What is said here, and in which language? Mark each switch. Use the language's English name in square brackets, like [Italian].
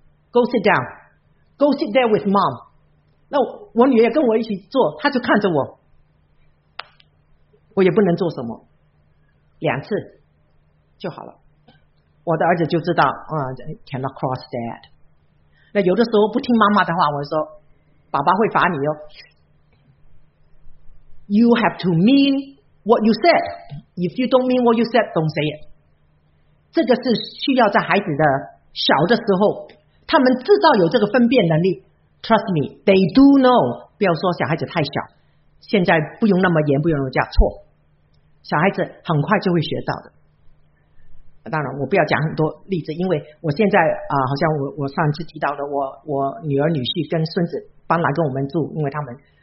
[English] Go sit down, go sit there with mom。 [Chinese] 那我女儿跟我一起坐，她就看着我，我也不能做什么，两次就好了。我的儿子就知道啊、， [English] cannot cross dad。 [Chinese] 那有的时候不听妈妈的话，我说爸爸会罚你哦。 [English] You have to mean what you said. If you don't mean what you said, don't say it. [Chinese] 这个是需要在孩子的小的时候，他们知道有这个分辨能力。 [English] Trust me, they do know. [Chinese] 不要说小孩子太小，现在不用那么严，不用那么讲错。小孩子很快就会学到的。当然，我不要讲很多例子，因为我现在好像我上次提到的，我女儿、女婿跟孙子搬来跟我们住，因为他们。